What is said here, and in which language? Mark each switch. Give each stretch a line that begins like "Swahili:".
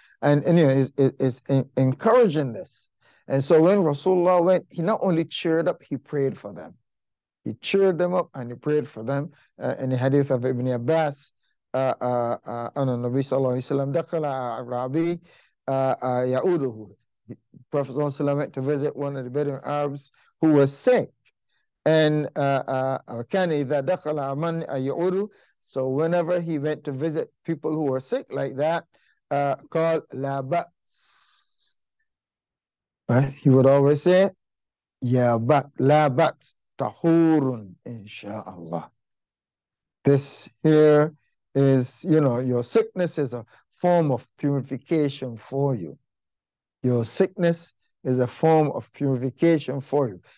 English: And anyway, it's encouraging this. And so when Rasulullah went, he not only cheered up, he prayed for them. He cheered them up and he prayed for them. In the hadith of Ibn Abbas, on the Nabi sallallahu alayhi wa sallam,
Arabic: dakhala Arabi ya'uduhu.
English: Prophet ﷺ went to visit one of the Bedouin Arabs who was sick.
Arabic: And كان إذا دخل من يعود.
English: So whenever he went to visit people who were sick like that,
Arabic: قال لا بأس.
English: He would always say,
Arabic: لا بأس طهور إن شاء الله.
English: This here is, you know, your sickness is a form of purification for you. Your sickness is a form of purification for you.